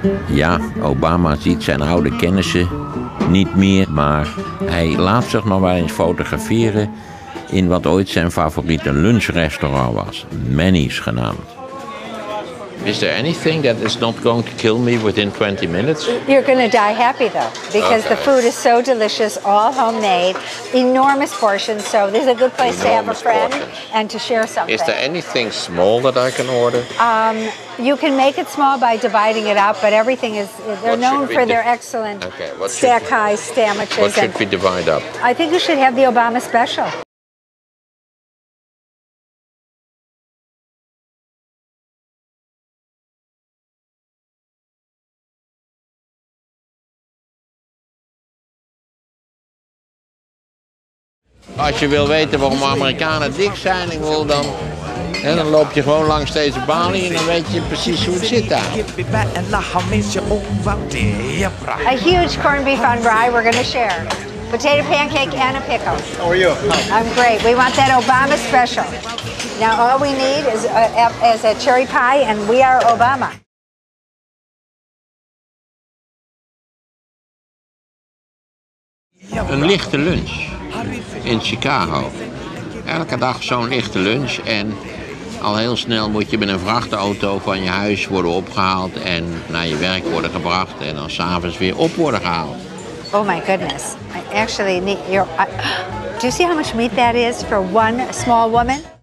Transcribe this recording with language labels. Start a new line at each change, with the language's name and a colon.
Dutch: Ja, Obama ziet zijn oude kennissen niet meer, maar hij laat zich nog wel eens fotograferen in wat ooit zijn favoriete lunchrestaurant was, Manny's genaamd.
English: Is there anything that is not going to kill me within 20 minutes? You're going to die happy though, because okay. The food is so delicious, all homemade, enormous portions, so this is a good place to have a friend portions. And to share something. Is there anything small that I can order? You can make it small by dividing it up, but everything is, they're known for their excellent stack high sandwiches. What should we divide up? I think you should have the Obama special.
Dutch: Als je wil weten waarom Amerikanen dik zijn, dan loop je gewoon langs deze balie en dan weet je precies hoe het zit daar.
English: A huge corned beef on rye we're going to share. Potato pancake and a pickle. How are you? I'm great. We want that Obama special. Now all we need is a cherry pie and we are Obama.
Dutch: Een lichte lunch. In Chicago. Elke dag zo'n lichte lunch en al heel snel moet je met een vrachtauto van je huis worden opgehaald en naar je werk worden gebracht en dan 's avonds weer op worden gehaald.
English: Oh my goodness. I actually need your... Do you see how much meat that is for one small woman?